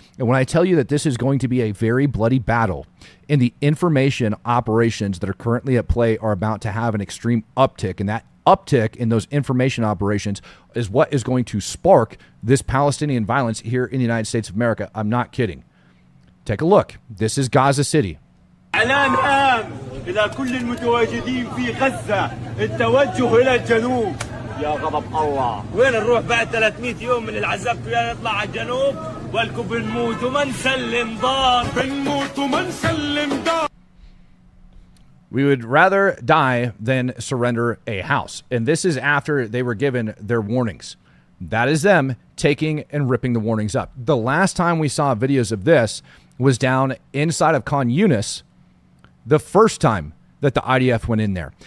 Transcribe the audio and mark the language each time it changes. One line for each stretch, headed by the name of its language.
English: And when I tell you that this is going to be a very bloody battle, and the information operations that are currently at play are about to have an extreme uptick, and that uptick in those information operations is what is going to spark this Palestinian violence here in the United States of America. I'm not kidding. Take a look. This is Gaza City.
Arabic: إعلان آم إلى كل المتواجدين في غزة التوجه إلى الجنوب يا غضب الله وين نروح بعد 300 يوم من العذاب فيها نطلع على الجنوب ولكم بنموت ومن سلم دار بنموت ومن سلم دار.
English: We would rather die than surrender a house. And this is after they were given their warnings. That is them taking and ripping the warnings up. The last time we saw videos of this was down inside of Khan Yunis, the first time that the IDF went in there.